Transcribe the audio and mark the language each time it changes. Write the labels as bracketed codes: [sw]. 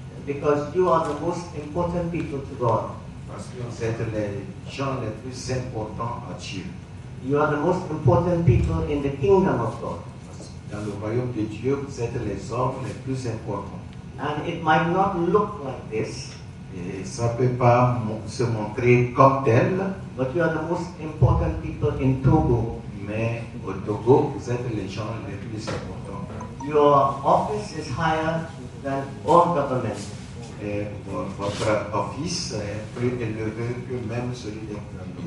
[en] Because you are the most important people to God. [fr] Parce que vous êtes les gens les plus importants à Dieu. [en] You are the most important people in the kingdom of God. [fr] Dans le royaume de Dieu, vous êtes les hommes les plus importants. [en] And it might not look like this. [fr] Et ça ne peut pas se montrer comme tel. [en] But you are the most important people in Togo. [fr] Mais au Togo, vous êtes les gens les plus importants. [en] Your office is higher than all governments. [fr] Et votre office est plus élevé que même celui des gouvernements.